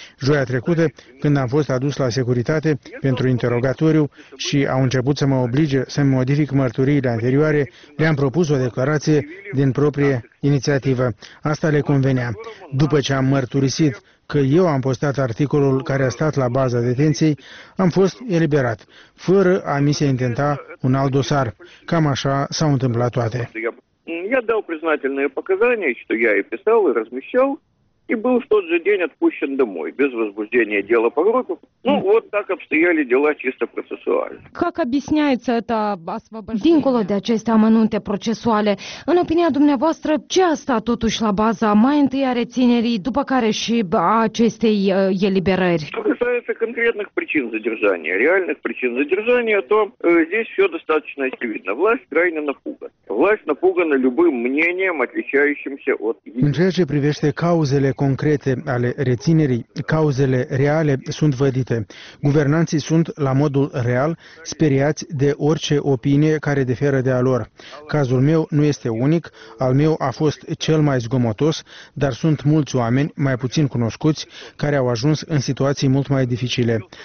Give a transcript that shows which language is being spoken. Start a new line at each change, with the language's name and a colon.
Romanian: Joia trecută, când am fost adus la securitate pentru interogatoriu și au început să mă oblige să-mi modific mărturiile anterioare, le-am propus o declarație din proprie inițiativă. Asta le convenea. După ce am mărturisit că eu am postat articolul care a stat la baza detenției, am fost eliberat, fără a mi se intenta un alt dosar. Cam așa s-au întâmplat toate.
Russian: Я дал признательные показания, что я и писал, и размещал, и был в тот же день отпущен домой, без возбуждения дела по группе. Ну, вот так обстояли дела чисто процессуально. Как объясняется это освобождение?
Romanian: Динколо де аceste amănunte procesuale, în opinia dumneavoastră, ce a stat totuși la baza mai întâi a reținerii, după care și a acestei eliberări?
Russian: Что касается конкретных причин задержания, реальных причин задержания, то здесь все достаточно очевидно. Власть крайне напугана. Власть напугана любым мнением, отличающимся от...
Romanian: În ceea ce privește cauzele concrete ale reținerii, cauzele reale sunt vădite. Guvernanții sunt, la modul real, speriați de orice opinie care diferă de a lor. Cazul meu nu este unic, al meu a fost cel mai zgomotos, dar sunt mulți oameni, mai puțin cunoscuți, care au ajuns în situații mult mai dificile.